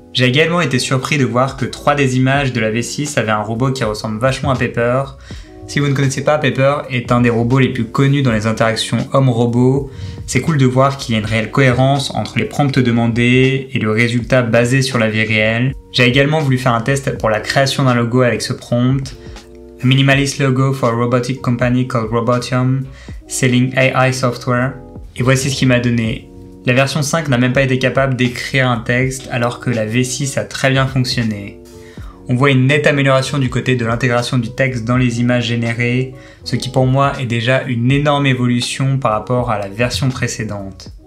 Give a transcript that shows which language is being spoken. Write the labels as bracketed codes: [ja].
[fr] J'ai également été surpris de voir que 3 des images de la V6 avaient un robot qui ressemble vachement à Pepper. Si vous ne connaissez pas, Pepper est un des robots les plus connus dans les interactions homme-robot. C'est cool de voir qu'il y a une réelle cohérence entre les prompts demandés et le résultat basé sur la vie réelle. J'ai également voulu faire un test pour la création d'un logo avec ce prompt. [en] A minimalist logo for a robotic company called Robotium, selling AI software. [fr] Et voici ce qu'il m'a donné. La version 5 n'a même pas été capable d'écrire un texte alors que la V6 a très bien fonctionné. On voit une nette amélioration du côté de l'intégration du texte dans les images générées, ce qui pour moi est déjà une énorme évolution par rapport à la version précédente.